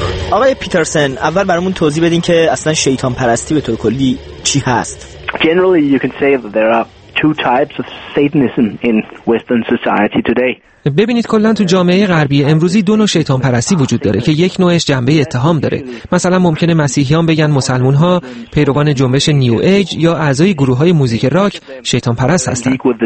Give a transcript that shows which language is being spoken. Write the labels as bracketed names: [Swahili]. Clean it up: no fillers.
[Persian] آقای پیترسن، اول برامون توضیح بدین که اصلا شیطان پرستی به طور کلی چی هست؟ [English] Generally you can say that there are two types of Satanism in Western society today. [Persian] ببینید کلا تو جامعه غربی امروزی دو نوع شیطان پرستی وجود داره که یک نوعش جنبه اتهام داره. مثلا ممکنه مسیحیان بگن مسلمان‌ها، پیروان جنبش نیو ایج یا اعضای گروه‌های موزیک راک شیطان پرست هستن.